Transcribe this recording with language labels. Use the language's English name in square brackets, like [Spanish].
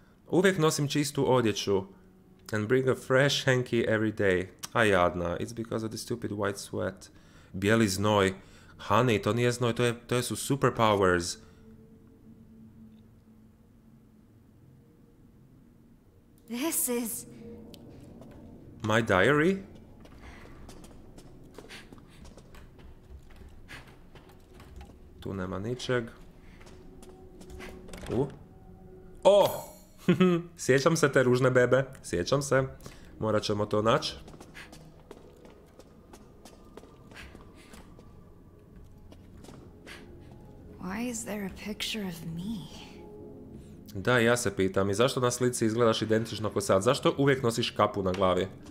[Croatian] Uvijek nosim čistu odjeću. [English] And bring a fresh hanky every day. [Croatian] A jadna, [English] it's because of the stupid white sweat. [Croatian] Bijeli znoj. Honey, to nije znoj, to su superpowers. [English] This is... my diary? [Croatian] Tu nema ničeg. O! Oh! Sjećam se te ružne bebe. Sjećam se. Morat ćemo to naći. [English] Why is there a picture of me? [Croatian] Da, ja se pitam. I zašto na slici izgledaš identično ko sad? Zašto uvijek nosiš kapu na glavi?